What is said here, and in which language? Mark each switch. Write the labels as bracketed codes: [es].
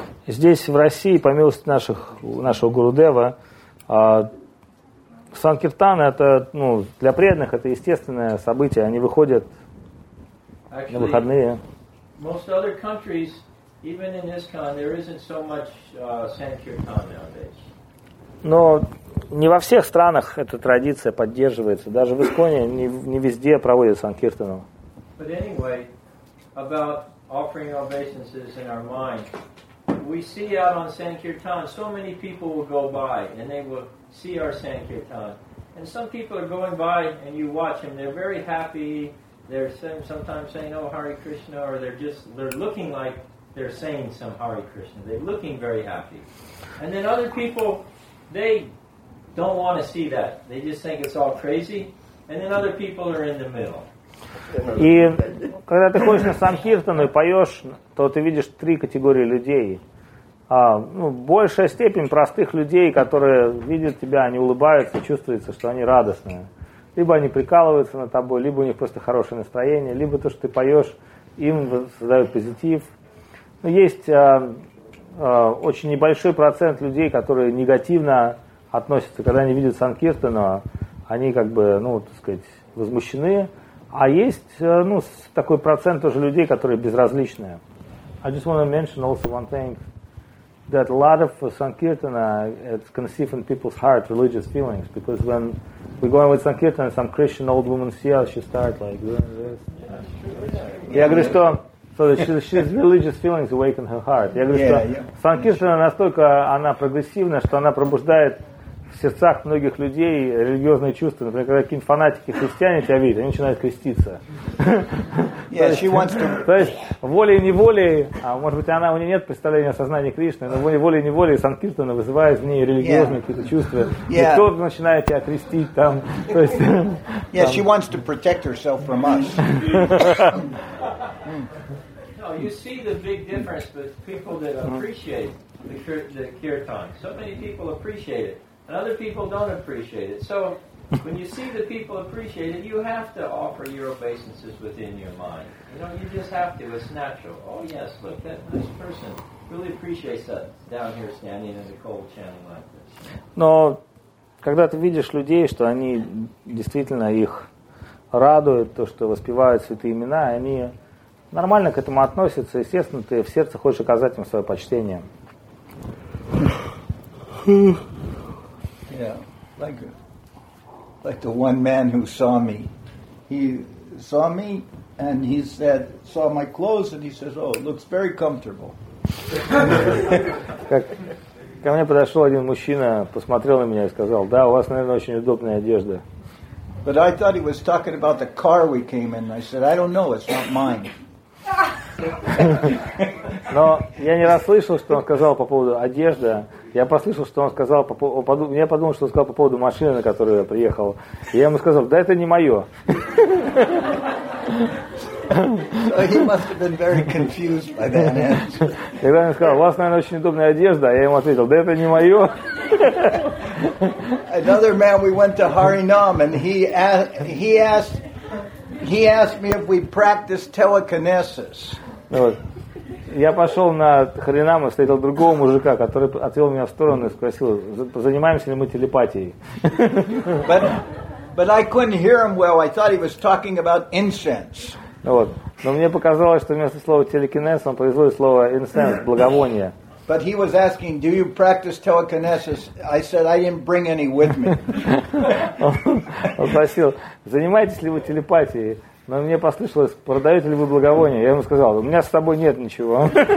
[ru] Здесь, в России, по милости нашего Гурудева, Санкиртан это, ну, для преданных это естественное событие. Они выходят [en] Actually, [ru] на выходные. [en] Most other countries, Even in ISKCON there isn't so much sankirtan nowadays. [ru] Но не во всех странах эта традиция поддерживается. Даже в Исконе не везде проводят санкиртану. [en] But anyway, about offering obeisances in our mind, we see out on sankirtan so many people will go by and they will see our sankirtan. And some people are going by and you watch them, they're very happy. They're sometimes saying, oh, Hare Krishna, or they're looking like they're saying some Hare Krishna. They're looking very happy. And then other people, they don't want to see that. They just think it's all crazy. And then other people are in the middle. [ru] И когда ты ходишь на санкиртану и поешь, то ты видишь три категории людей. Большая степень простых людей, которые видят тебя, они улыбаются, чувствуется, что они радостные. Либо они прикалываются над тобой, либо у них просто хорошее настроение, либо то, что ты поешь, им создают позитив. Но есть очень небольшой процент людей, которые негативно относятся, когда они видят санкиртану, они как бы, ну, так сказать, возмущены. А есть такой процент тоже людей, которые безразличны. [en] I just want to mention also one thing, that a lot of sankirtana it's conceived in people's heart, religious feelings, because when we're going with sankirtana, some Christian old woman see us, she starts like doing this. [ru] Я говорю, что [en] so she's religious feelings awaken her heart. [ru] Я говорю, что санкиртана настолько она прогрессивна, что она пробуждает в сердцах многих людей религиозные чувства. Например, когда какие-нибудь фанатики христиане тебя видят, они начинают креститься. [en] Yeah, she wants to... [ru] То есть волей-неволей, а может быть она, у нее нет представления о сознании Кришны, но волей-неволей санкиртана вызывает в ней религиозные какие-то чувства. Yeah. И кто-то начинает тебя крестить там. То есть, [en] yeah, [ru] там... [en] she wants to protect herself from us. No, you see the big difference with people that appreciate the kirtan. So many people appreciate it. And other people don't appreciate it. So when you see that people appreciate it, you have to offer your obeisances within your mind. You know, you just have to. It's natural. Oh, yes, look, that nice person really appreciates that down here standing in the cold chanting like this. [ru] Но когда ты видишь людей, что они действительно их радуют, то, что воспевают святые имена, они нормально к этому относятся. Естественно, ты в сердце хочешь оказать им свое почтение. [en] Yeah, like the one man who saw me. He saw me and he said, saw my clothes and he says, oh, it looks very comfortable. [ru] Как ко мне подошел один мужчина, посмотрел на меня и сказал, да, у вас, наверное, очень удобная одежда. [en] But I thought he was talking about the car we came in. I said, I don't know, it's not mine. [ru] Но я не расслышал, что он сказал по поводу одежды. Я послышал, что он сказал, я подумал, что он сказал по поводу машины, на которую я приехал. И я ему сказал, да это не мое. [en] So he must have been very confused by that answer. [ru] Когда он сказал, у вас, наверное, очень удобная одежда, я ему ответил, да это не мое. [en] Another man, we went to Harinam, and he asked me if we practice telekinesis. [ru] Я пошел на Харинам и встретил другого мужика, который отвел меня в сторону и спросил, занимаемся ли мы телепатией. [en] But I couldn't hear him well. I thought he was talking about incense. [ru] Вот. Но мне показалось, что вместо слова телекинез он произносит слово incense, благовоние. [en] But he was asking, do you practice telekinesis? I said, I didn't bring any with me. [ru] Он спросил, занимаетесь ли вы телепатией? Но мне послышалось, продаете ли вы благовоние? Я ему сказал, у меня с тобой нет ничего.